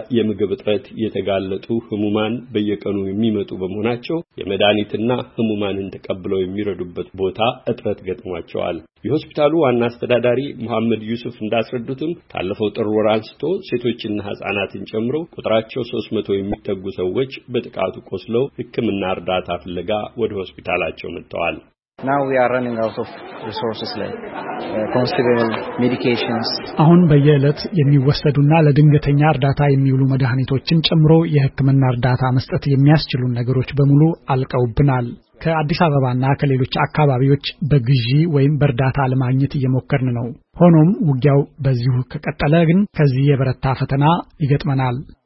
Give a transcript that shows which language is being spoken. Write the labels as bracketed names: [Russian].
[Amharic] የምግብ እጥረት የተጋለጡ ህሙማን በየቀኑ የሚመጡ በመሆናቸው የመድኃኒትና ህሙማንን ተቀብለው የሚረዱበት ቦታ እጥረት ገጥሟቸዋል። የሆስፒታሉ ዋና አስተዳዳሪ መሐመድ ዩሱፍ እንዳስረዱትም ካለፈው ጥር ወር አንስቶ ሴቶችና ህጻናትን ጨምሮ ቁጥራቸው 300 የሚጠጉ ሰዎች በጥቃቱ ቆስለው ህክምና እርዳታ ፍለጋ ወደ ሆስፒታላቸው መጥተዋል። [English] Now we are running out of resources like considerable medications. [Amharic] አሁን በየለት የሚወሰዱና ለድንገተኛ እርዳታ የሚውሉ መድኃኒቶችን ጨምሮ የህክምና እርዳታ መስጠት የሚያስችሉ ነገሮች በሙሉ አልቀውብናል። ከአዲስ አበባና ከሌሎች አካባቢዎች በግዢ ወይም በርዳታ ለማግኘት እየሞከርን ነው። ሆኖም ውጊያው በዚሁ ከቀጠለ ግን ከዚህ የበረታ ፈተና ይገጥመናል።